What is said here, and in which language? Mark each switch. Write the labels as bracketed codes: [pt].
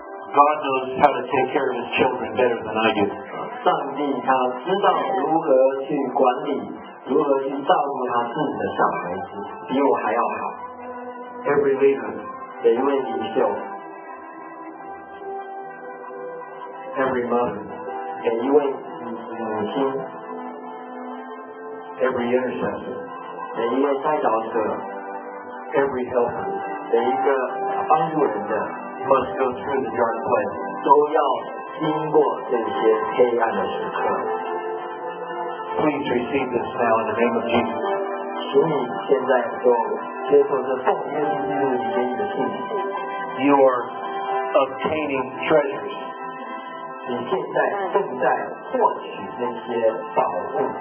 [en] God knows how to take care of his children better than I do. [zh] 上帝他知道如何去管理，如何去照顾他自己的小孩子，比我还要好。 [en] Every leader, [zh] 每一位领袖。 [en] Every mother, [zh] 每一位母亲 [en] every intercessor. [zh] 每一位代祷者, [en] every helper, [zh] 每一个帮助人的, [en] must go through the dark place. [zh] 都要经过这些黑暗的时刻。 [en] Please receive this now in the name of Jesus. [zh] 请你现在就接受这奉耶稣基督的名义的信息。 [en] You are obtaining treasures. [zh] 你现在正在获取那些宝物